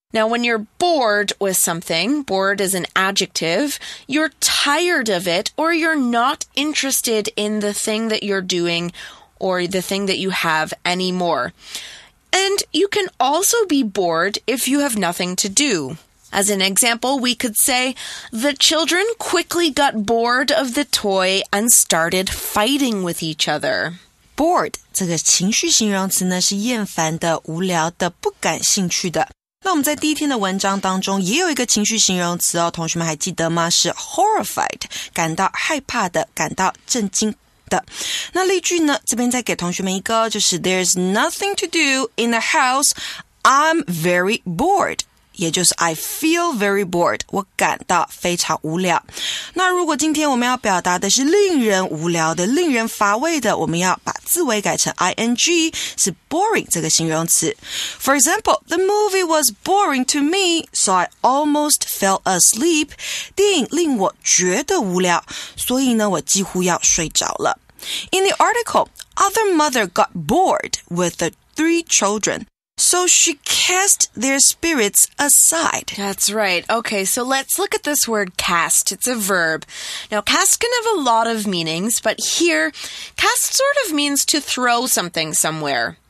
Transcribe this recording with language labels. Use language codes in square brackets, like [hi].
[en] Now, when you're bored with something, bored is an adjective, you're tired of it or you're not interested in the thing that you're doing or the thing that you have anymore. And you can also be bored if you have nothing to do. As an example, we could say, the children quickly got bored of the toy and started fighting with each other. [zh] Bored, 这个情绪形容词呢，是厌烦的、无聊的、不感兴趣的。那我们在第一天的文章当中也有一个情绪形容词哦，同学们还记得吗？是 horrified, 感到害怕的、感到震惊的。那例句呢，这边再给同学们一个，就是 [en] There's nothing to do in the house, I'm very bored. [zh] 也就是 [en] I feel very bored, [zh] 我感到非常无聊。那如果今天我们要表达的是令人无聊的、令人乏味的，我们要把字尾改成 ing, 是 boring 这个形容词。 [en] For example, the movie was boring to me, so I almost fell asleep. [zh] 电影令我觉得无聊，所以呢，我几乎要睡着了。 [en] In the article, other mother got bored with the three children. So she cast their spirits aside. That's right. Okay, so let's look at this word cast. It's a verb. Now, cast can have a lot of meanings, but here, cast sort of means to throw something somewhere.